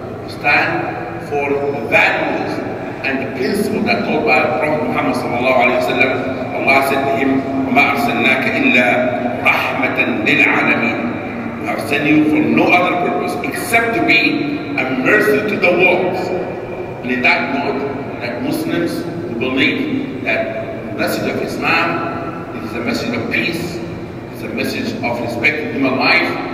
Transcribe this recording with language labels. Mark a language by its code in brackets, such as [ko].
[en] We stand for the values and the principle that taught by the Prophet Muhammad sallallahu alayhi wa sallam. Allah said to him, [ar] وَمَا أَرْسَلْنَاكَ إِلَّا رَحْمَةً لِلْعَالَمِينَ. [en] We have sent you for no other purpose except to be a mercy to the world. And in that note, that Muslims believe that the message of Islam is a message of peace, it's a message of respect for human life.